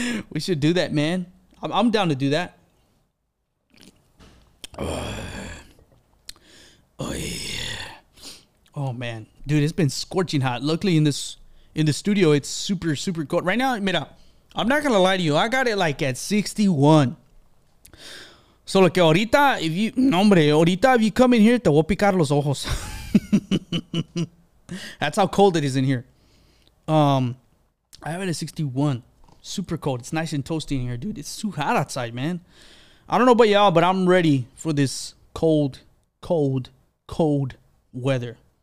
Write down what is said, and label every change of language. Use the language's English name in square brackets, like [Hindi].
[English] We should do that, man. I'm down to do that. Oh, yeah. Oh, man. Dude, it's been scorching hot. Luckily, in the studio, it's super, super cold. Right now, mira, I'm not going to lie to you. I got it, like, at 61. So, lo que ahorita, if you... [Spanish] Hombre, ahorita, if you come in here, te voy a picar los ojos. [English] That's how cold it is in here. I have it at 61. Super cold. It's nice and toasty in here, dude. It's too hot outside, man. I don't know about y'all, but I'm ready for this cold, cold, cold weather.